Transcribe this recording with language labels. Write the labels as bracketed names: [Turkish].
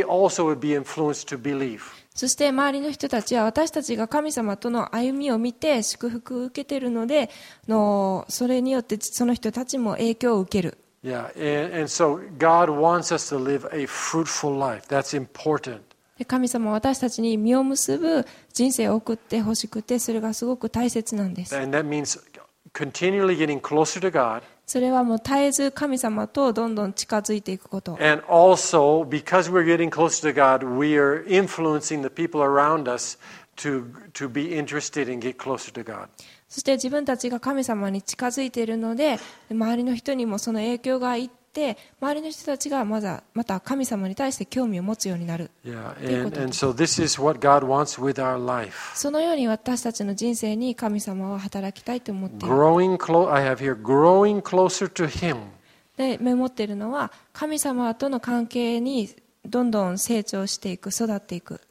[Japanese] そして周りの人たちは私たちが神様との歩みを見て祝福を受けているので、それによってその人たちも影響を受ける。神様は私たちに実を結ぶ人生を送ってほしくて、それがすごく大切なんです。 [English] And that means continually getting closer to God. [Japanese] それはもう絶えず神様とどんどん近づいていくこと。 [English] And also, because we're getting closer to God, we are influencing the people around us to be interested and get closer to God. [Japanese] そして自分たちが神様に近づいているので、周りの人にもその影響がいって、って周りの人たちが また神様に対して興味を持つようになるということです。そのように私たちの人生に神様は働きたいと思っています [English] Growing close, I have here, growing closer to him. [Japanese] で、メモっているのは神様との関係にどんどん成長していく、育っていく。